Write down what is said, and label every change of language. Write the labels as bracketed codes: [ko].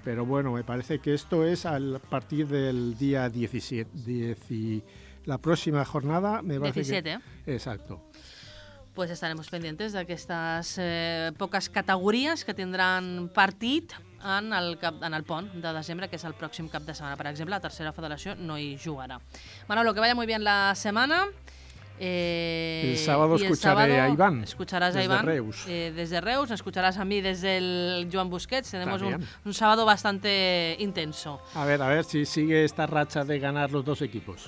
[es] Pero bueno, me parece que esto es a partir del día 17, la próxima jornada. Me parece 17, que, exacto. [ca] Pues estaremos pendientes d'aquestes poques categories que tindran partit en el pont de desembre, que és el pròxim cap de setmana. Per exemple, la tercera federació no hi jugarà. [es] Manolo, que vaya muy bien la setmana. El sábado escucharé a Iván. Escucharás desde a Iván. Reus. Desde Reus, escucharás a mí desde el Joan Busquets. Tenemos un sábado bastante intenso. A ver si sigue esta racha de ganar los dos equipos.